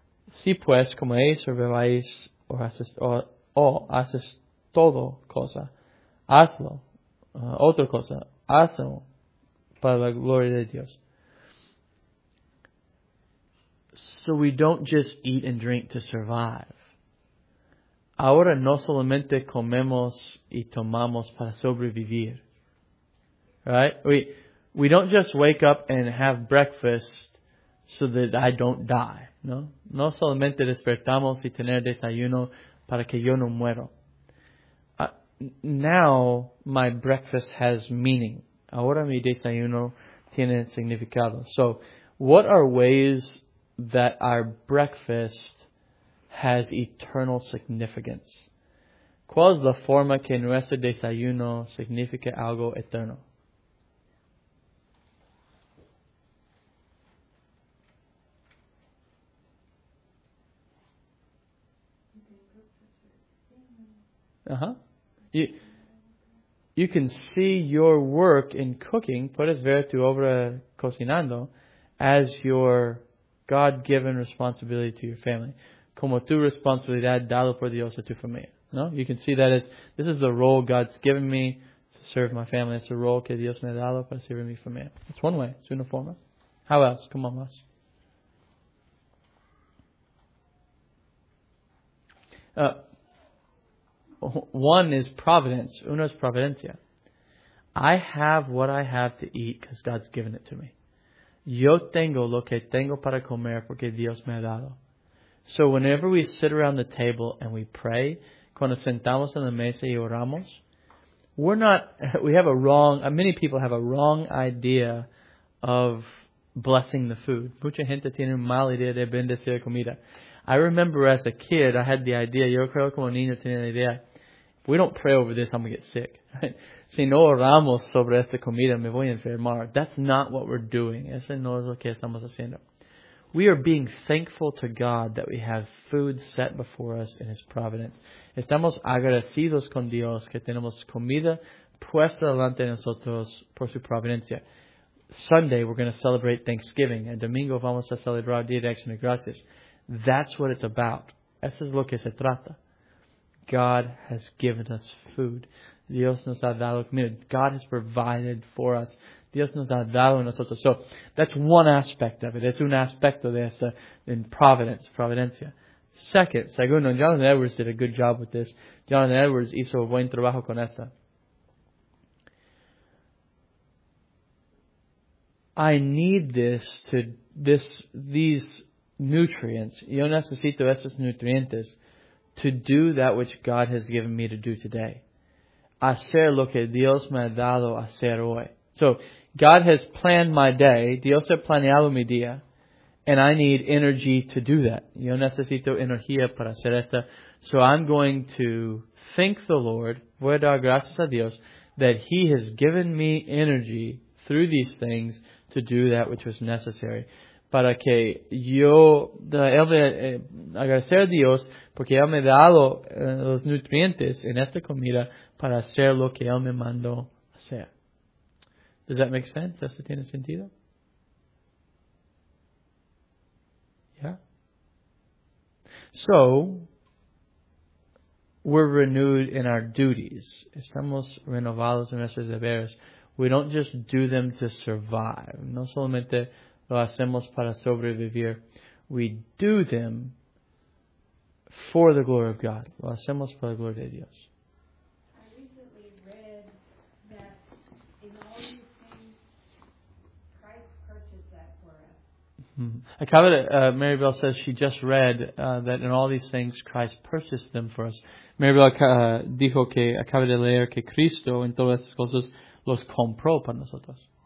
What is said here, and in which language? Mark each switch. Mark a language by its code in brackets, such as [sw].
[es] Si pues comáis o bebáis o haces todo cosa, hazlo, otra cosa, hazlo para la gloria de Dios. [en] So we don't just eat and drink to survive. [es] Ahora no solamente comemos y tomamos para sobrevivir. [en] Right? We don't just wake up and have breakfast so that I don't die. [es] No, no solamente despertamos y tener desayuno para que yo no muero. [en] Now my breakfast has meaning. [es] Ahora mi desayuno tiene significado. [en] So, what are ways that our breakfast has eternal significance? [es] ¿Cuál es la forma que nuestro desayuno significa algo eterno? [en] You can see your work in cooking, [es] puedes ver tu obra cocinando, [en] as your God-given responsibility to your family. [es] Como tu responsabilidad dado por Dios a tu familia. No? [en] You can see that as, this is the role God's given me to serve my family. It's the role [es] que Dios me ha dado para servir mi familia. [en] It's one way. It's [es] una forma. [en] How else? Come on, Les. One is providence. [es] Uno es providencia. [en] I have what I have to eat because God's given it to me. [es] Yo tengo lo que tengo para comer porque Dios me ha dado. [en] So whenever we sit around the table and we pray, [es] cuando sentamos en la mesa y oramos, [en] many people have a wrong idea of blessing the food. [es] Mucha gente tiene una mala idea de bendecir la comida. [en] I remember as a kid, I had the idea, [es] yo creo como niño tenía la idea, [en] if we don't pray over this, I'm going to get sick. [es] Si no oramos sobre esta comida, me voy a enfermar. [en] That's not what we're doing. [es] Eso no es lo que estamos haciendo. [en] We are being thankful to God that we have food set before us in His providence. [es] Estamos agradecidos con Dios que tenemos comida puesta delante de nosotros por su providencia. [en] Sunday, we're going to celebrate Thanksgiving. [es] El domingo vamos a celebrar Día de Acción de Gracias. [en] That's what it's about. [es] Eso es lo que se trata. [en] God has given us food. [es] Dios nos ha dado comida. [en] God has provided for us. [es] Dios nos ha dado a nosotros. [en] So, that's one aspect of it. [es] Es un aspecto de esta [en] in providence, [es] providencia. [en] Second, segundo, Jonathan Edwards did a good job with this. Jonathan Edwards [es] hizo buen trabajo con esta. [en] I need these nutrients. [es] Yo necesito estos nutrientes [en] to do that which God has given me to do today. [es] hacer lo que Dios me ha dado hacer hoy. [en] So, God has planned my day. [es] Dios ha planeado mi día. [en] And I need energy to do that. [es] Yo necesito energía para hacer esto. [en] So I'm going to thank the Lord. [es] Voy a dar gracias a Dios [en] that He has given me energy through these things to do that which was necessary. [es] Para que yo, Él me agradecer a Dios porque Él me ha dado los nutrientes en esta comida para hacer lo que Él me mandó hacer. [en] Does that make sense? [es] ¿Eso tiene sentido? [en] So, we're renewed in our duties. Estamos renovados en nuestros deberes. We don't just do them to survive. [es] No solamente lo hacemos para sobrevivir. [en] We do them for the glory of God. [es] Lo hacemos para la gloria de Dios. [en] I recently read that in all these things, Christ purchased that for us. Maribel says she just read that in all these things Christ purchased them for us. [es] Maribel dijo que acaba de leer que Cristo en todas estas cosas los compró para nosotros.